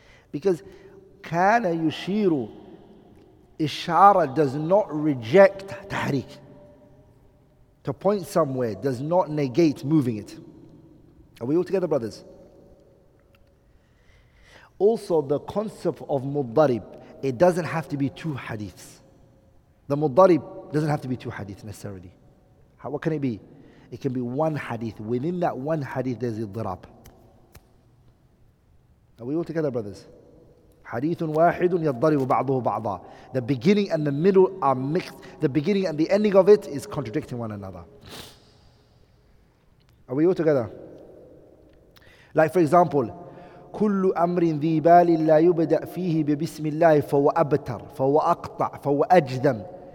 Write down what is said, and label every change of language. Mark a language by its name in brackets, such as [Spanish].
[English] Because [Arabic] كان يشير, [English] إشارة does not reject تحريك. To point somewhere does not negate moving it. Are we all together, brothers? Also, the concept of مضرب, it doesn't have to be two hadiths. The مضرب doesn't have to be two hadiths necessarily. What can it be? It can be one hadith. Within that one hadith, there's a ضرب. Are we all together, brothers? [Arabic] حديث واحد يضرب بعضه بعضا. [English] The beginning and the middle are mixed. The beginning and the ending of it is contradicting one another. Are we all together? Like for example, [Arabic] كل أمر ذي بال لا يبدأ فيه ببسم الله فهو أبتر فهو أقطع فهو أجدم.